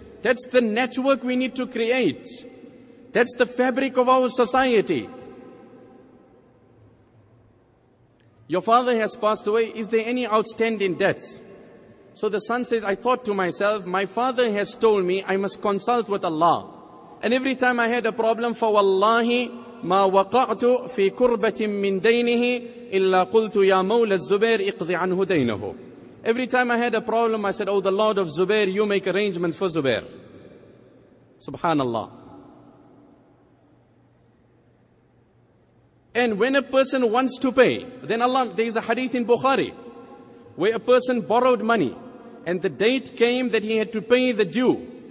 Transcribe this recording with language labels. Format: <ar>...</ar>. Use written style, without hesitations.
<en>That's the network we need to create. That's the fabric of our society. Your father has passed away. Is there any outstanding debts? So the son says, I thought to myself, my father has told me I must consult with Allah.</en> <ar>And every time I had a problem, فَوَاللَّهِ مَا وَقَعْتُ فِي كُرْبَةٍ مِّن دَيْنِهِ إِلَّا قُلْتُ يَا مَوْلَى الزُّبَيْرِ اِقْضِ عَنْهُ دَيْنَهُ.</ar> <en>Every time I had a problem, I said, oh, the Lord of Zubair, you make arrangements for Zubair. Subhanallah. And when a person wants to pay, then Allah, there is a hadith in Bukhari, where a person borrowed money, and the date came that he had to pay the due.</en>